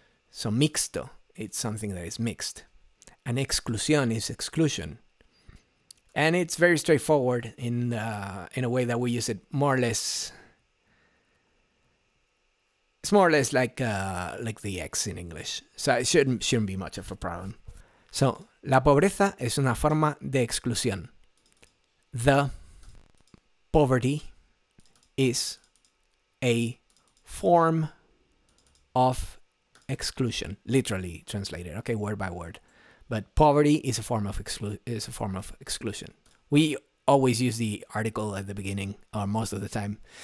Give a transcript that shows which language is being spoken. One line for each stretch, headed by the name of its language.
English: So mixto, it's something that is mixed. And exclusión is exclusion. And it's very straightforward in a way that we use it more or less. It's more or less like the X in English. So it shouldn't be much of a problem.
Spanish: So, la pobreza es una forma de exclusión.
English: The poverty is a form of exclusion, literally translated. Okay, word by word. But poverty is a form of exclusion. We always use the article at the beginning, or most of the time.